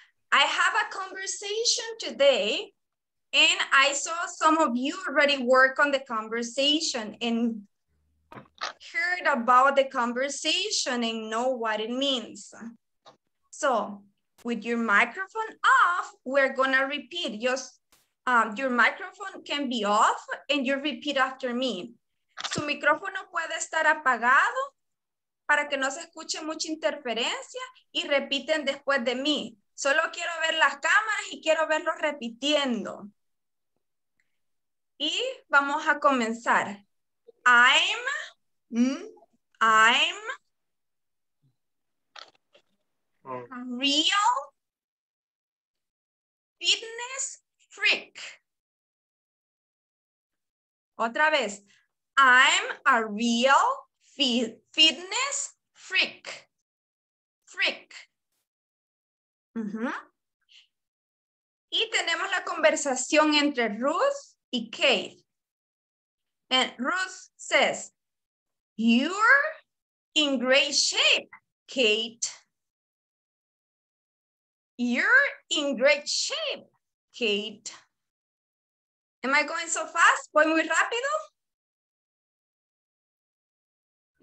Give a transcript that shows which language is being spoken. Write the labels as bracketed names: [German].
[English] I have a conversation today, and I saw some of you already work on the conversation and heard about the conversation and know what it means. So with your microphone off, we're gonna repeat. Your microphone can be off and you repeat after me. [Spanish] Su micrófono puede estar apagado para que no se escuche mucha interferencia y repiten después de mí. Solo quiero ver las cámaras y quiero verlos repitiendo. Y vamos a comenzar. [English] I'm real fitness freak. [Spanish] Otra vez, [English] I'm a real fitness freak. Uh-huh. [Spanish] Y tenemos la conversación entre Ruth y Kate. [English] And Ruth says, you're in great shape, Kate. You're in great shape, Kate. Am I going so fast? [Spanish] ¿Voy muy rápido?